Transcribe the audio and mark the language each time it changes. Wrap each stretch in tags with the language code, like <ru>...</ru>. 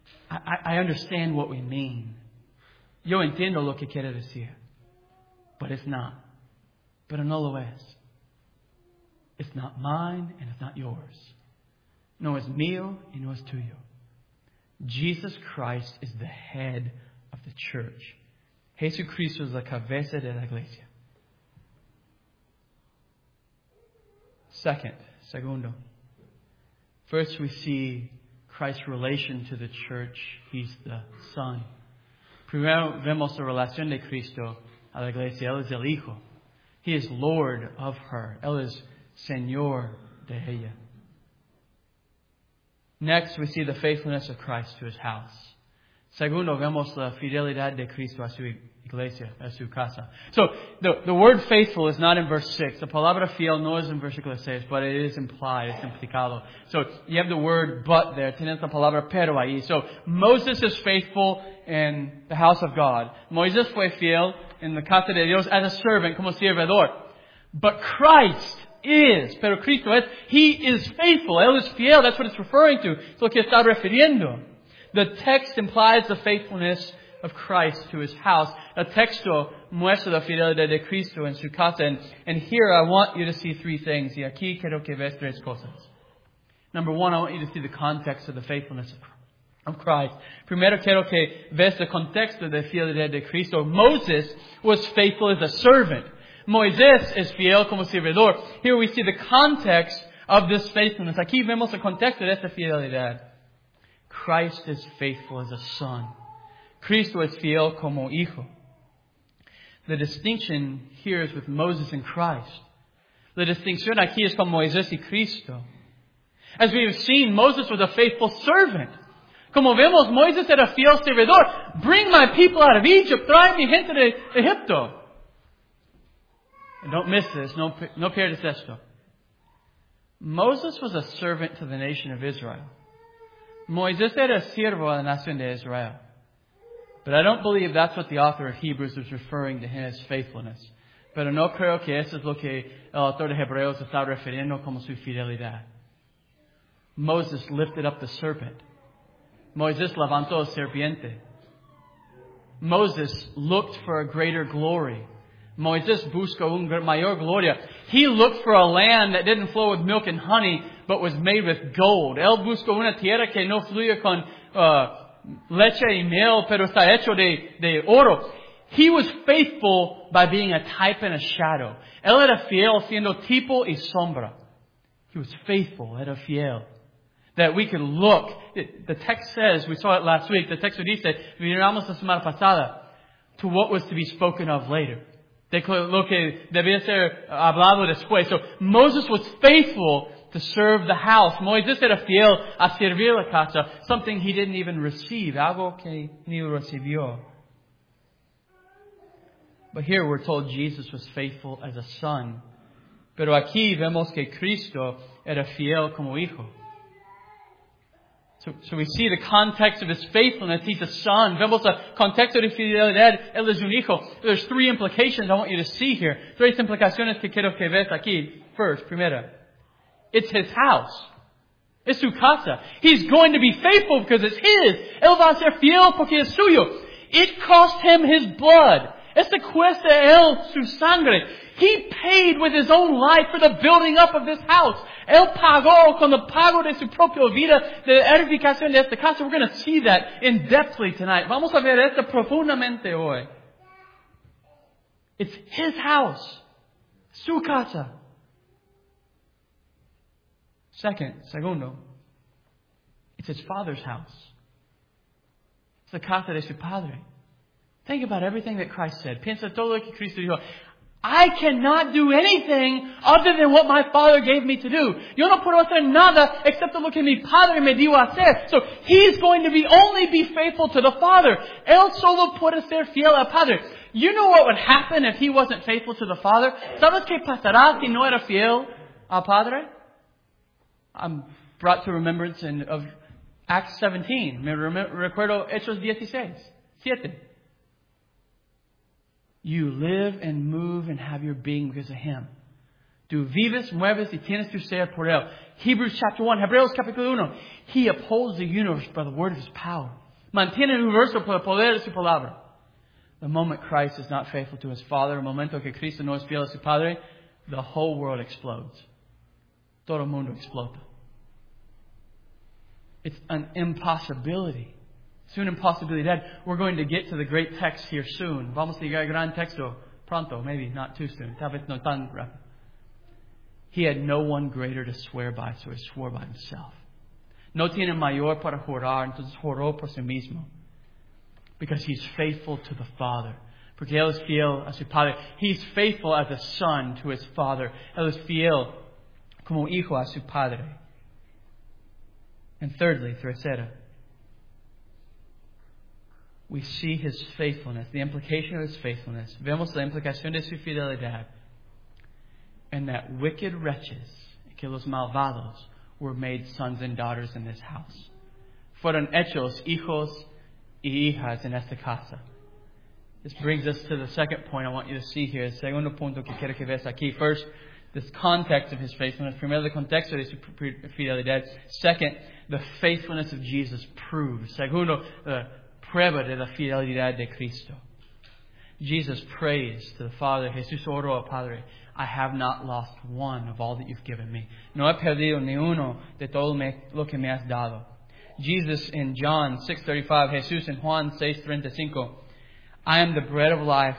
<en>I understand what we mean.</en> <es>Yo entiendo lo que quiere decir.</es> <en>But it's not.</en> <es>Pero no lo es.</es> <en>It's not mine and it's not yours.</en> <es>No es mío y no es tuyo.</es> <en>Jesus Christ is the head of the church.</en> <es>Jesucristo es la cabeza de la iglesia. Segundo.</es> <en>First we see Christ's relation to the church. He's the Son.</en> <es>Primero vemos la relación de Cristo a la iglesia. Él es el Hijo.</es> <en>He is Lord of her.</en> <es>Él es Señor de ella.</es> <en>Next, we see the faithfulness of Christ to His house.</en> <es>Segundo, vemos la fidelidad de Cristo a su iglesia, a su casa.</es> <en>So, the word faithful is not in verse 6. The</en> <es>palabra fiel no es en versículo 6,</es> <en>but it is implied, it's implicado. So, you have the word but there.</en> <es>Tienes la palabra pero ahí.</es> <en>So, Moses is faithful in the house of God.</en> <es>Moisés fue fiel en la casa de Dios</es> <en>as a servant,</en> <es>como servidor.</es> <en>But Christ is,</en> <es>pero Cristo es,</es> <en>He is faithful,</en> <es>Él es fiel,</es> <en>that's what it's referring to,</en> <es>es lo que está refiriendo.</es> <en>The text implies the faithfulness of Christ to His house.</en> <es>El texto muestra la fidelidad de Cristo en su casa,</es> <en>and here I want you to see three things,</en> <es>y aquí quiero que veas tres cosas.</es> <en>Number one, I want you to see the context of the faithfulness of Christ.</en> <es>Primero quiero que veas el contexto de fidelidad de Cristo.</es> <en>Moses was faithful as a servant.</en> <es>Moisés es fiel como servidor.</es> <en>Here we see the context of this faithfulness.</en> <es>Aquí vemos el contexto de esta fidelidad.</es> <en>Christ is faithful as a son.</en> <es>Cristo es fiel como hijo.</es> <en>The distinction here is with Moses and Christ.</en> <es>La distinción aquí es con Moisés y Cristo.</es> <en>As we have seen, Moses was a faithful servant.</en> <es>Como vemos, Moisés era fiel servidor.</es> <en>Bring my people out of Egypt.</en> <es>Trae mi gente de Egipto.</es> <en>Don't miss this.</en> <es>No pierdes esto.</es> <en>Moses was a servant to the nation of Israel.</en> <es>Moisés era siervo a la nación de Israel.</es> <en>But I don't believe that's what the author of Hebrews is referring to his faithfulness.</en> <es>Pero no creo que eso es lo que el autor de Hebreos está refiriendo como su fidelidad.</es> <en>Moses lifted up the serpent.</en> <es>Moisés levantó la serpiente.</es> <en>Moses looked for a greater glory.</en> <es>Moisés buscó un mayor gloria.</es> <en>He looked for a land that didn't flow with milk and honey, but was made with gold.</en> <es>Él buscó una tierra que no fluía con leche y miel, pero está hecho de oro.</es> <en>He was faithful by being a type and a shadow.</en> <es>Él era fiel siendo tipo y sombra.</es> <en>He was faithful,</en> <es>era fiel.</es> <en>That we could look. The text says, we saw it last week, the text</en> <es>dice, miramos la semana pasada,</es> <en>to what was to be spoken of later.</en> <es>De lo que debía ser hablado después.</es> <en>So, Moses was faithful to serve the house.</en> <es>Moisés era fiel a servir la casa.</es> <en>Something he didn't even receive.</en> <es>Algo que ni recibió.</es> <en>But here we're told Jesus was faithful as a son.</en> <es>Pero aquí vemos que Cristo era fiel como hijo.</es> <en>So we see the context of his faithfulness. He's a son.</en> <es>Vemos el contexto de fidelidad. Él es un hijo.</es> <en>There's three implications I want you to see here.</en> <es>Tres implicaciones que quiero que veas aquí.</es> <en>First,</en> <es>primera.</es> <en>It's his house.</en> <es>Es su casa.</es> <en>He's going to be faithful because it's his.</en> <es>Él va a ser fiel porque es suyo.</es> <en>It cost him his blood.</en> <es>Esta cuesta él su sangre.</es> <en>He paid with his own life for the building up of this house.</en> <es>Él pagó con el pago de su propia vida de edificación de esta casa.</es> <en>We're going to see that in depthly tonight.</en> <es>Vamos a ver esto profundamente hoy.</es> <en>It's his house.</en> <es>Su casa. Segundo.</es> <en>It's his father's house.</en> <es>Es la carta de su padre.</es> <en>Think about everything that Christ said.</en> <es>Piensa todo lo que Cristo dijo.</es> <en>I cannot do anything other than what my Father gave me to do.</en> <es>Yo no puedo hacer nada excepto lo que mi Padre me dio a hacer.</es> <en>So he's going to only be faithful to the Father.</en> <es>Él solo puede ser fiel al Padre.</es> <en>You know what would happen if he wasn't faithful to the Father?</en> <es>¿Sabes qué pasará si no era fiel al Padre?</es> <en>I'm brought to remembrance of Acts 17.</en> <es>Recuerdo Hechos 16. 7.</es> <en>You live and move and have your being because of him.</en> <es>Tú vives, mueves y tienes tu ser por él.</es> <en>Hebrews chapter 1.</en> <es>Hebreos capítulo 1.</es> <en>He upholds the universe by the word of his power.</en> <es>Mantiene el universo por el poder de su palabra.</es> <en>The moment Christ is not faithful to his Father,</en> <es>el momento que Cristo no es fiel a su Padre,</es> <en>the whole world explodes.</en> <es>Todo el mundo explota.</es> <en>It's an impossibility.</en> <es>Soon impossibilidad.</es> <en>We're going to get to the great text here soon.</en> <es>Vamos a llegar al gran texto pronto.</es> <en>Maybe not too soon.</en> <es>Tal vez no tan rápido.</es> <en>He had no one greater to swear by, so he swore by himself.</en> <es>No tiene mayor para jurar, entonces juró por sí mismo.</es> <en>Because he's faithful to the Father.</en> <es>Porque él es fiel a su Padre.</es> <en>He's faithful as a son to his Father.</en> <es>Él es fiel como hijo a su Padre.</es> <en>And thirdly,</en> <es>tercera,</es> <en>we see his faithfulness, the implication of his faithfulness.</en> <es>Vemos la implicación de su fidelidad.</es> <en>And that wicked wretches,</en> <es>que los malvados,</es> <en>were made sons and daughters in this house.</en> <es>Fueron hechos hijos y hijas en esta casa.</es> <en>This brings us to the second point I want you to see here.</en> <es>El segundo punto que quiero que veas aquí.</es> <en>First, this context of his faithfulness.</en> <es>Primero, el contexto de su fidelidad.</es> <en>Second, the faithfulness of Jesus proves.</en> <es>Segundo, the prueba de la fidelidad de Cristo.</es> <en>Jesus prays to the Father.</en> <es>Jesús oró al Padre.</es> <en>I have not lost one of all that you've given me.</en> <es>No he perdido ni uno de todo lo que me has dado.</es> <en>Jesus in John 6:35, Jesús in Juan 6:35, I am the bread of life.</en>